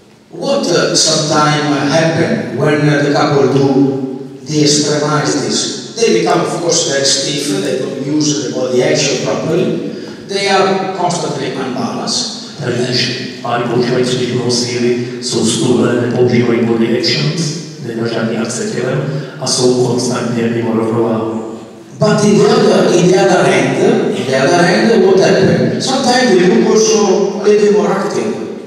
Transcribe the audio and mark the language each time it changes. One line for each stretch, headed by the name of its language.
English: What sometimes happen when the couple do de-extremize this? They become, of course, very stiff, they don't use the body action properly. They are constantly unbalanced.
Czech: Když pár používají přibližnou síly, jsou stuhlé, nepoužívají body actions, nemá žádný akce tělem a jsou konstantně mimo rovnováhu.
English: But in the other hand, what happens? Sometimes they look also a little more active.